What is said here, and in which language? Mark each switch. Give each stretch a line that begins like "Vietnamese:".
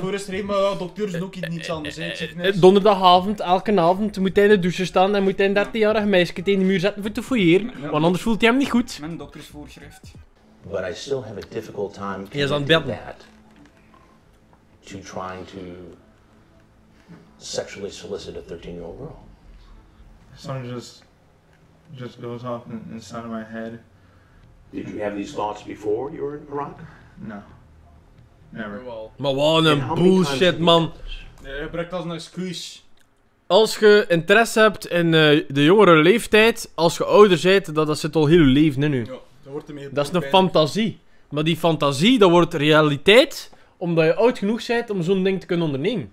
Dutch: Dat is reden, maar dokters doen ook niets anders. Donderdagavond, elke avond, moet hij in de douche staan en moet hij een 13-jarig meisje tegen de muur zetten voor te fouilleren. Want anders voelt hij hem niet goed. Mijn doktersvoorschrift.
English: But I still have a difficult time connecting that to trying to sexually solicit a 13-year-old girl. Something just goes off inside of my head. Did you have these thoughts before you were in Iraq? No. Never.
Dutch: Maar wat een bullshit, man. Je brengt als een excuus. Als je interesse hebt in de jongere leeftijd, als je ouder bent, dat zit al heel je leven in nu. Ja, dat wordt ermee. Dat is een fantasie. Maar die fantasie, dat wordt realiteit, omdat je oud genoeg bent om zo'n ding te kunnen ondernemen.